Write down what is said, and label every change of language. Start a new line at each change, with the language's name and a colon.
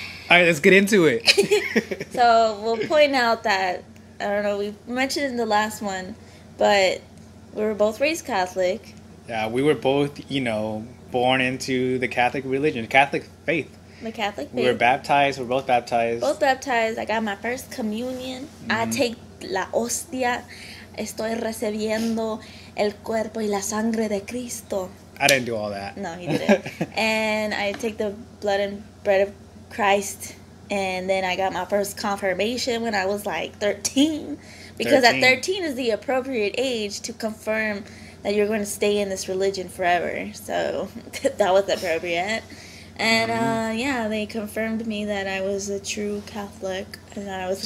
English: All right, let's get into it. So, we'll point out that, I don't know, we mentioned in the last one, but we were both raised Catholic. Yeah, we were both, you know, born into the Catholic religion, Catholic faith. The Catholic faith. We were baptized, we're both baptized. Both baptized. I got my first communion.
Spanish: Mm-hmm.
English: I take
Spanish: la hostia, estoy recibiendo el cuerpo y la sangre de Cristo.
English: I didn't do all that. No, he didn't. And I take the blood and bread of Christ, and then I got my first confirmation when I was like 13. Because 13. At 13 is the appropriate age to confirm that you're going to stay in this religion forever. So that was appropriate. And they confirmed me that I was a true Catholic, and that I was.